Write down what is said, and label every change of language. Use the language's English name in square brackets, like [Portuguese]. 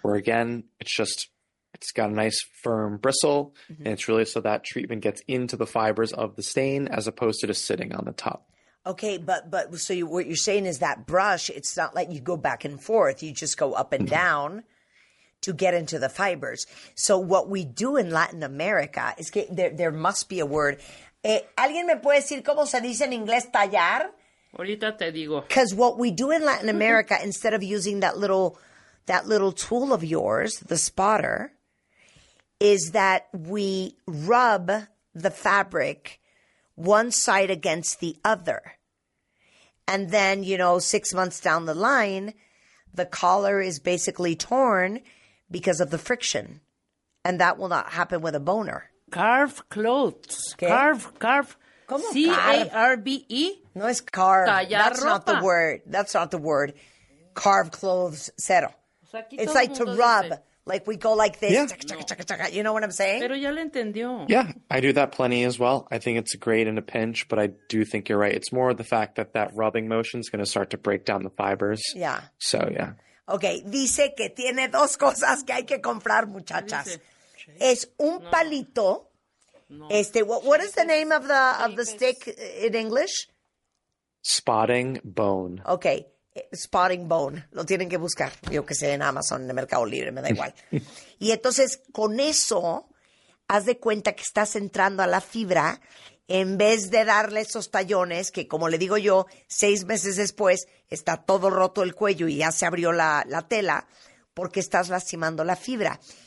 [English] Where again, it's just, it's got a nice firm bristle and it's really so that treatment gets into the fibers of the stain as opposed to just sitting on the top. Okay, but so you, what you're saying is that brush, it's not like you go back and forth. You just go up and down to get into the fibers. So what we do in Latin America is [Spanish] que [English] there must be a word. [Spanish] ¿Alguien me puede decir cómo se dice en inglés tallar? Ahorita te digo. [English] Because what we do in Latin America, instead of using that little tool of yours, the spotter, is that we rub the fabric one side against the other. And then, 6 months down the line, the collar is basically torn because of the friction. And that will not happen with a boner. Carve clothes. Okay. Carve. [Spanish] ¿Cómo? [English] C-A-R-V-E. [Spanish] No es [English] carve. Callar That's ropa. Not the word. That's not the word. Carve clothes. Cero. It's like to rub. [Spanish] Dice. [English] Like we go like this. Yeah. You know what I'm saying? [Spanish] Pero ya lo entendió. [English] Yeah, I do that plenty as well. I think it's great in a pinch, but I do think you're right. It's more the fact that that rubbing motion is going to start to break down the fibers. Yeah. So, yeah. Okay. [Spanish] Dice que tiene dos cosas que hay que comprar, muchachas. Es un palito. [English] What is the name of the stick in English? Spotting bone. Okay. [Spanish] Spotting bone. Lo tienen que buscar. Yo que sé, en Amazon, en el Mercado Libre, me da igual. Y entonces, con eso, haz de cuenta que estás entrando a la fibra en vez de darle esos tallones que, como le digo yo, 6 meses después está todo roto el cuello y ya se abrió la tela porque estás lastimando la fibra.